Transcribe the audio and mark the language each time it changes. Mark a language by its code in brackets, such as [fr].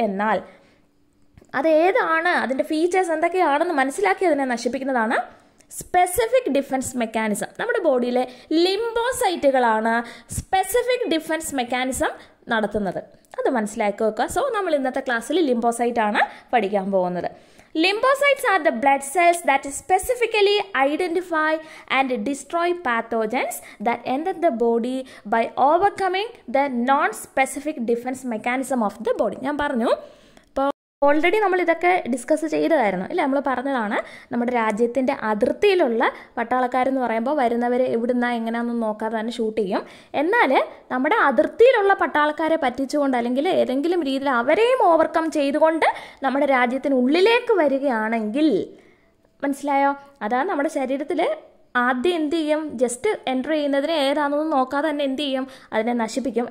[ml] എന്നാൽ അതേതാണ്, അതിൻ്റെ ഫീച്ചേഴ്സ് എന്തൊക്കെയാണെന്ന് മനസ്സിലാക്കി അതിനെ നശിപ്പിക്കുന്നതാണ് സ്പെസിഫിക് ഡിഫൻസ് മെക്കാനിസം. നമ്മുടെ ബോഡിയിലെ ലിംഫോസൈറ്റുകളാണ് സ്പെസിഫിക് ഡിഫൻസ് മെക്കാനിസം നടത്തുന്നത്. അത് മനസ്സിലാക്കി വെക്കുക. സോ നമ്മൾ ഇന്നത്തെ ക്ലാസ്സിൽ ലിംഫോസൈറ്റ് ആണ് പഠിക്കാൻ പോകുന്നത്. [en] Lymphocytes are the blood cells that specifically identify and destroy pathogens that enter the body by overcoming the non-specific defense mechanism of the body. [ml] ഞാൻ പറഞ്ഞു ഓൾറെഡി നമ്മൾ ഇതൊക്കെ ഡിസ്കസ് ചെയ്തതായിരുന്നു അല്ലേ. നമ്മൾ പറഞ്ഞതാണ് നമ്മുടെ രാജ്യത്തിൻ്റെ അതിർത്തിയിലുള്ള പട്ടാളക്കാരെന്ന് പറയുമ്പോൾ വരുന്നവരെ എവിടുന്ന എങ്ങനെയാണെന്ന് നോക്കാതെ തന്നെ ഷൂട്ട് ചെയ്യും. എന്നാൽ നമ്മുടെ അതിർത്തിയിലുള്ള പട്ടാളക്കാരെ പറ്റിച്ചുകൊണ്ട് അല്ലെങ്കിൽ ഏതെങ്കിലും രീതിയിൽ അവരെയും ഓവർകം ചെയ്തുകൊണ്ട് നമ്മുടെ രാജ്യത്തിനുള്ളിലേക്ക് വരികയാണെങ്കിൽ, മനസ്സിലായോ, അതാണ് നമ്മുടെ ശരീരത്തിൽ ആദ്യം എന്ത് ചെയ്യും, ജസ്റ്റ് എൻട്രി ചെയ്യുന്നതിന് ഏതാണെന്ന് നോക്കാതെ തന്നെ എന്ത് ചെയ്യും, അതിനെ നശിപ്പിക്കും.